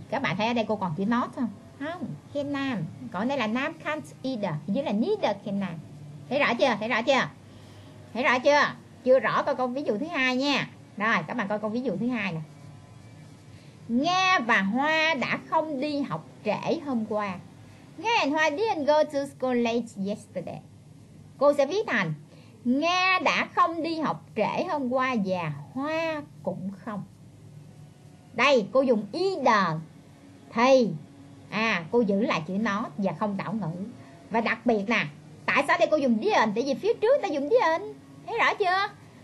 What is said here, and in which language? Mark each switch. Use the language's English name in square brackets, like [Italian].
[Vietnamese] Các bạn thấy ở đây cô còn chữ not không? Không, khen nam. Còn đây là [English] nam can't either, [Vietnamese] chứ là [English] neither can nam. [Vietnamese] Thấy rõ chưa? Thấy rõ chưa? Thấy rõ chưa? Chưa rõ coi câu ví dụ thứ hai nha. Rồi, các bạn coi câu ví dụ thứ hai nè. Nga và Hoa đã không đi học trễ hôm qua. [English] Nga and Hoa didn't go to school late yesterday. [Vietnamese] Cô sẽ viết thành Nga đã không đi học trễ hôm qua và Hoa cũng không. Đây, cô dùng either thì cô giữ lại chữ not và không đảo ngữ. Và đặc biệt nè, tại sao đây cô dùng didn't? Tại vì phía trước ta dùng didn't. Thấy rõ chưa?